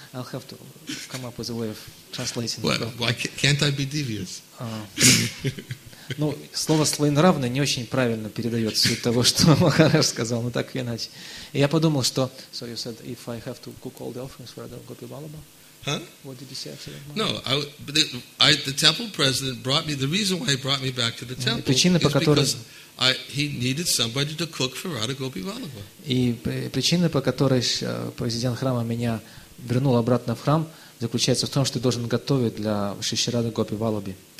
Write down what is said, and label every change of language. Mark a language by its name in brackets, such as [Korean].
[English] I'll have to come up with a way of translating. Why can't I be devious? [Russian] Ну, слово «своенравный» не очень правильно передает суть того, что Махарадж сказал, но так иначе. И я подумал, что... [English] So you said, if I have to cook all the offerings for Radha Gopivallabha? Huh? What did you say actually? No, the temple president brought me... The reason why he brought me back to the temple [Russian] причина, [English] is [Russian] по которой... [English] because he needed somebody to cook for Radha Gopivallabha. [Russian] И причина, по которой президент храма меня вернул обратно в храм... заключается в том, что ты должен готовить для Шишрады Гопивалаби.